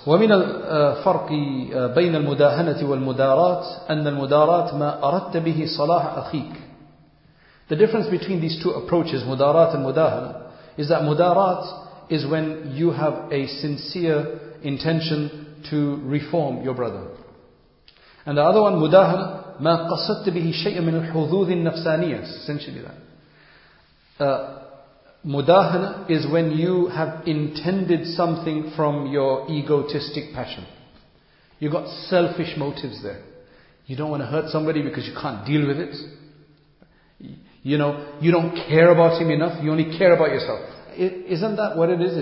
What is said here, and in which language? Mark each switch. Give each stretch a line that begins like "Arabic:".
Arabic: وَمِنَ الْفَرْقِ بَيْنَ الْمُدَاهَنَةِ وَالْمُدَارَاتِ أَنَّ الْمُدَارَاتِ مَا أَرَدْتَ بِهِ صَلَاحَ أَخِيكَ.
English: The difference between these two approaches, mudarat and mudahana, is that mudarat is when you have a sincere intention to reform your brother. And the other one, mudahana,
Arabic: مَا قَصَدْتَ بِهِ شَيْءٍ مِنَ الْحُذُوذِ النَّفْسَانِيَةِ.
English: Essentially that. Mudahana is when you have intended something from your egotistic passion. You've got selfish motives there. You don't want to hurt somebody because you can't deal with it. You know, you don't care about him enough, you only care about yourself. Isn't that what it is?